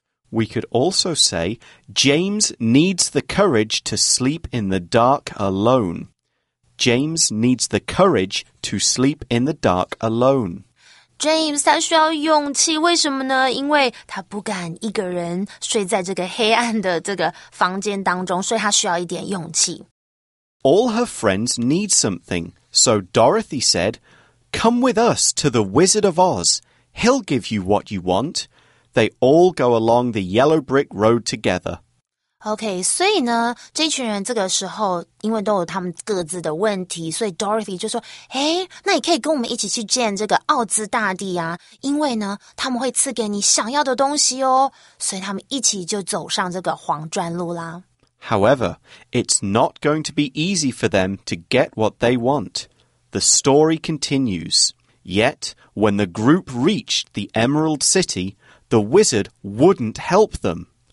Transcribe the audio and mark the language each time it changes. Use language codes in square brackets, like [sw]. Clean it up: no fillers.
[en] We could also say, James needs the courage to sleep in the dark alone. James needs the courage to sleep in the dark alone. [zh] James, 他需要勇气，为什么呢？因为他不敢一个人睡在这个黑暗的这个房间当中，所以他需要一点勇气。 [en] All her friends need something. So Dorothy said, Come with us to the Wizard of Oz. He'll give you what you want. They all go along the yellow brick road together. [zh] OK, 所以呢，这群人这个时候因为都有他们各自的问题，所以 Dorothy 就说，诶，那你可以跟我们一起去见这个奥兹大帝啊，因为呢，他们会赐给你想要的东西哦。所以他们一起就走上这个黄砖路啦。 [en] However, it's not going to be easy for them to get what they want. The story continues. Yet, when the group reached the Emerald City, the wizard wouldn't help them.